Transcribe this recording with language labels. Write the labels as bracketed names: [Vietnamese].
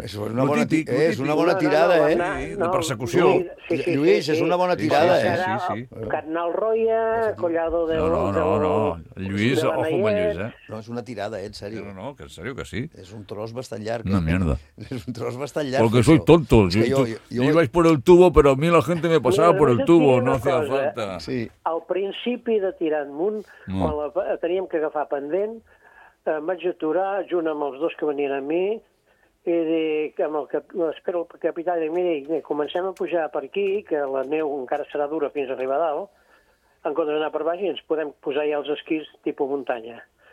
[Catalan] És una bona tirada, De persecució. Lluís, és una bona tirada, Carnal Roya, Collado de... No. Lluís, ojo amb en Lluís, No, és una tirada, en sèrio. No, que en sèrio que sí. És un tros bastant llarg. [Spanish] Una mierda. [Catalan] És un tros bastant llarg. [Spanish] Porque soy tonto. Yo iba por el tubo, pero a mí la gente me pasaba por el tubo, no hacía falta. [Catalan] Sí. Al principi de tirar amunt... teníem que agafar pendent, em vaig aturar junt amb els dos que venien a mi i dic, espero el capità, i dic, mira, comencem a pujar per aquí, que la neu encara serà dura fins a arribar a dalt, en comptes d'anar per baix, i ens podem posar ja els esquís tipus muntanya.